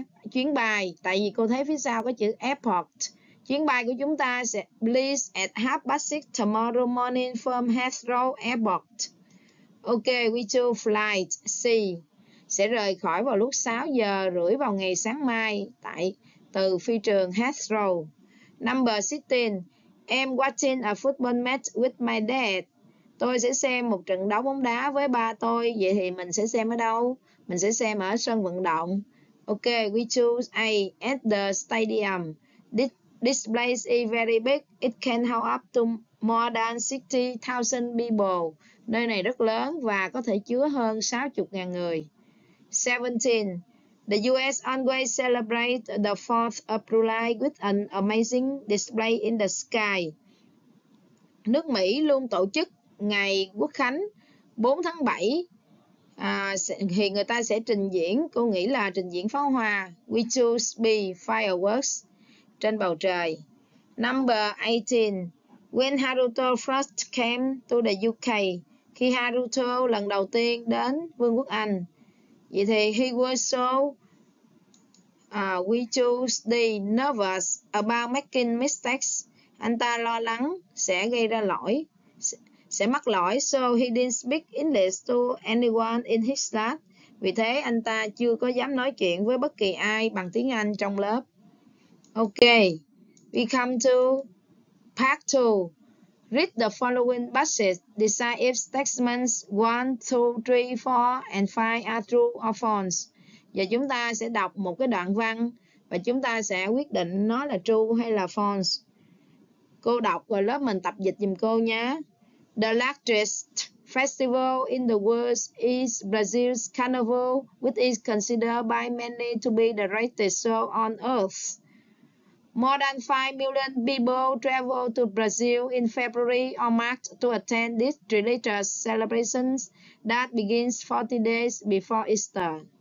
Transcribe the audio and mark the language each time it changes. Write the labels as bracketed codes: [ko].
[vi] Chuyến bay. Tại vì cô thấy phía sau có chữ airport. Chuyến bay của chúng ta sẽ [en] leave at 6:30 tomorrow morning from Heathrow Airport. Ok, we choose flight C. [vi] Sẽ rời khỏi vào lúc 6:30 vào ngày sáng mai tại từ phi trường Heathrow. [en] Number 16. I'm watching a football match with my dad. [vi] Tôi sẽ xem một trận đấu bóng đá với ba tôi. Vậy thì mình sẽ xem ở đâu? Mình sẽ xem ở sân vận động. [en] Ok, we choose A, at the stadium. This place is very big. It can hold up to More than 60,000 people. [vi] Nơi này rất lớn và có thể chứa hơn 60.000 người. [en] 17. The US always celebrates the 4th of July with an amazing display in the sky. [vi] Nước Mỹ luôn tổ chức ngày Quốc khánh 4 tháng 7. Thì người ta sẽ trình diễn, cô nghĩ là trình diễn pháo hoa, [en] we choose be fireworks [vi] trên bầu trời. [en] Number 18. When Haruto first came to the UK. [vi] Khi Haruto lần đầu tiên đến Vương quốc Anh. Vậy thì [en] he was so we choose the nervous about making mistakes. [vi] Anh ta lo lắng sẽ gây ra lỗi, sẽ mắc lỗi. [en] So he didn't speak English to anyone in his class. [vi] Vì thế anh ta chưa có dám nói chuyện với bất kỳ ai bằng tiếng Anh trong lớp. [en] Ok, we come to part 2. Read the following passage. Decide if statements 1, 2, 3, 4, and 5 are true or false. [vi] Và chúng ta sẽ đọc một cái đoạn văn và chúng ta sẽ quyết định nó là true hay là false. Cô đọc và lớp mình tập dịch giùm cô nhé. [en] The largest festival in the world is Brazil's Carnival, which is considered by many to be the greatest show on earth. More than 5 million people travel to Brazil in February or March to attend this religious celebration that begins 40 days before Easter.